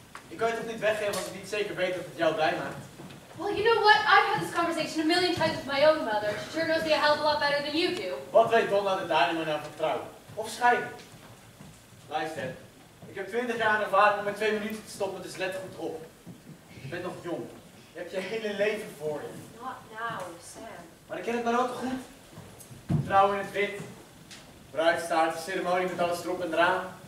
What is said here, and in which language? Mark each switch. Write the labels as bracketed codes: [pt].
[nl] Ik kan je toch niet weggeven als ik niet zeker weet dat het jou blij maakt? [en] Well, you know what? I've had this conversation a million times with my own mother. She sure knows me a hell of a lot better than you do. [nl] Wat weet Donna de Dynamo nou van trouwen? Of scheiden? Luister, ik heb 20 jaar ervaring om met 2 minuten te stoppen, dus let goed op. Je bent nog jong. Je hebt je hele leven voor je. [en] Not now, Sam. [nl] Maar ik ken het maar ook goed. Trouwen in het wit. Bruidstaart, ceremonie met alles erop en eraan.